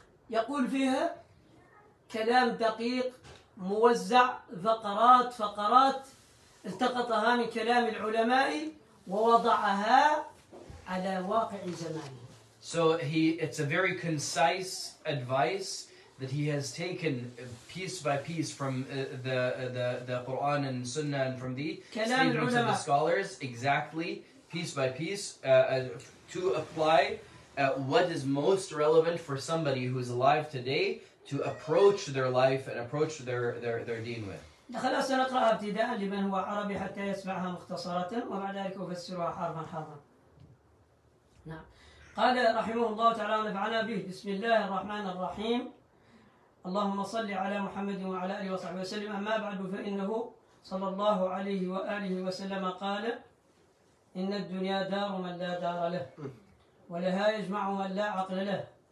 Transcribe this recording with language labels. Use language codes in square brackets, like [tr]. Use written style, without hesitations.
[ar] يقول فيها كلام دقيق موزع فقرات التقطها من كلام العلماء ووضعها على واقع زمانه. [en] So he, it's a very concise advice that he has taken piece by piece from the Quran and Sunnah and from the statements of the scholars exactly piece by piece to apply what is most relevant for somebody who is alive today to approach their life and approach their deen with. [ar] خلاص نقرأها ابتداء لمن هو عربي حتى يسمعها مختصرة ومع ذلك أفسرها حرفا حرفا. نعم. قال رحمه الله تعالى ونفعنا به بسم الله الرحمن الرحيم. اللهم صل على محمد وعلى آله وصحبه وسلم. أما بعد فإنه صلى الله عليه وآله وسلم قال إن الدنيا دار من لا دار له ولها يجمع من لا عقل له.